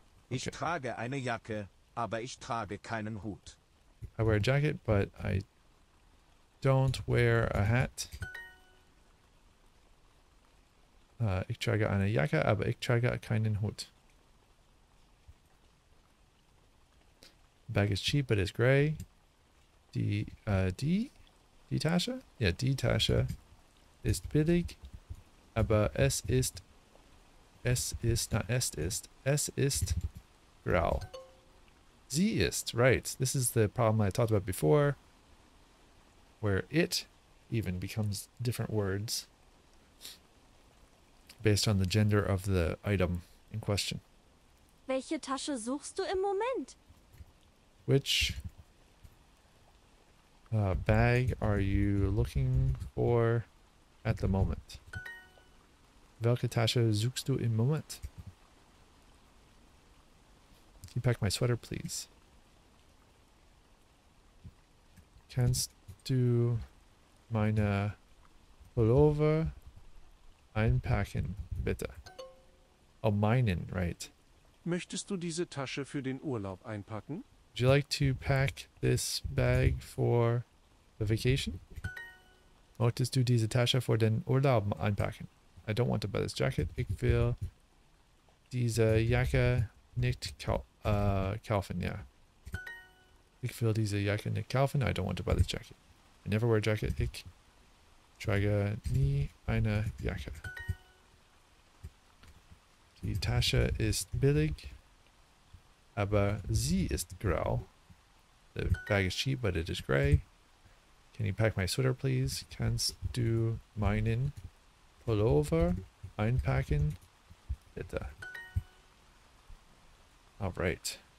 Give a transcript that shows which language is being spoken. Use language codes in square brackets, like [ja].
[de] Ich trage eine Jacke, aber ich trage keinen Hut. [en] I wear a jacket, but I don't wear a hat. [de] Ich trage eine Jacke, aber ich trage keinen Hut. [en] Bag is cheap, but it's gray. [de] Die Tasche? Yeah, die Tasche ist billig, aber es ist grau. Sie ist, right. [en] This is the problem I talked about before, where it even becomes different words based on the gender of the item in question. [de] Welche Tasche suchst du im Moment? [en] Which bag are you looking for at the moment? [de] Welche Tasche suchst du im Moment? [en] Can you pack my sweater, please? [de] Kannst du meine Pullover einpacken, bitte? [en] Oh, meinen, right. [de] Möchtest du diese Tasche für den Urlaub einpacken? [en] Would you like to pack this bag for the vacation? [de] Möchtest du diese Tasche für den Urlaub einpacken? [en] I don't want to buy this jacket. [de] Ich will diese Jacke nicht kaufen, [en] yeah. [de] Ich will diese Jacke nicht kaufen. [en] I don't want to buy this jacket. I never wear a jacket. [de] Ich trage nie eine Jacke. Die Tasche ist billig, aber sie ist grau. [en] The bag is cheap, but it is gray. Can you pack my sweater, please? [de] Kannst du meinen Pullover einpacken, bitte? [en] All right.